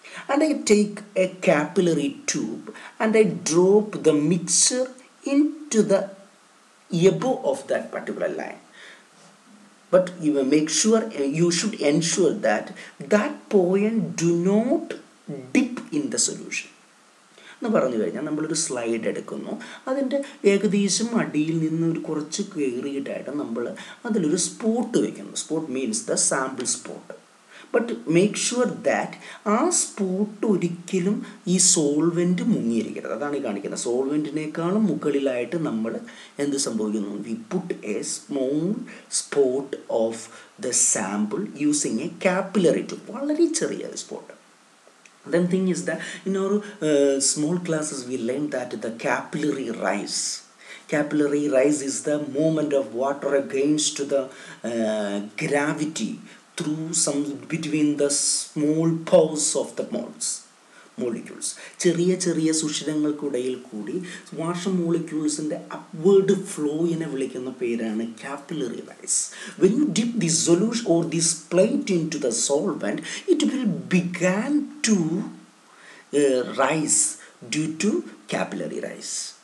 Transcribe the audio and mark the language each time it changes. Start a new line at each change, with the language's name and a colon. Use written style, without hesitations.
English: And I take a capillary tube and I drop the mixture into the above of that particular line. But you will make sure, you should ensure that that point do not dip in the solution.
Malayalam: എന്ന് പറഞ്ഞു കഴിഞ്ഞാൽ നമ്മളൊരു slide എടുക്കുന്നു, അതിൻ്റെ ഏകദേശം അടിയിൽ നിന്ന് ഒരു കുറച്ച് കയറിയിട്ടായിട്ട് നമ്മൾ അതിലൊരു സ്പോട്ട് വയ്ക്കുന്നു.
English: Spot means the sample spot. But make sure that
Malayalam: ആ സ്പോട്ട് ഒരിക്കലും ഈ സോൾവെൻ്റ് മുങ്ങിയിരിക്കരുത്. അതാണ് ഈ കാണിക്കുന്നത്. സോൾവെൻറ്റിനേക്കാളും മുകളിലായിട്ട് നമ്മൾ എന്ത് സംഭവിക്കുന്നു,
English: We put a small spot of the sample using a capillary tube.
Malayalam: വളരെ ചെറിയ spot.
English: Then thing is that in our small classes we learned that the capillary rise. Capillary rise is the movement of water against the gravity through some between the small pores of the molds.
Malayalam: Molecules, ചെറിയ ചെറിയ സുഷിരങ്ങൾക്കിടയിൽ കൂടി
English: water മോളിക്യൂൾസിൻ്റെ upward ഫ്ലോയിനെ
Malayalam: വിളിക്കുന്ന പേരാണ് capillary rice.
English: When you dip the solution or the split into the solvent it will began to rise due to capillary rise.